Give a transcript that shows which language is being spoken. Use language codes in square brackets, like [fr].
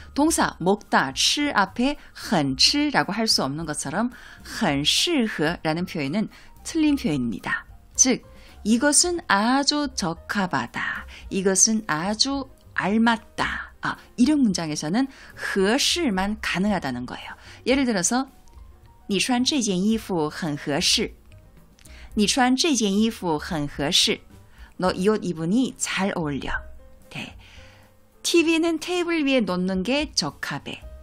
[ko] 동사 먹다, 吃 앞에 很吃라고 할 수 없는 것처럼 很适合라는 표현은 틀린 표현입니다. 즉, 이것은 아주 적합하다, 이것은 아주 알맞다, 이런 문장에서는 合适만 가능하다는 거예요. 예를 들어서 [zh] 你穿这件衣服很合适。你穿这件衣服很合适。 [ko] 너 이 옷 입으니 잘 어울려. 네. TV는 테이블 위에 놓는 게 적합해.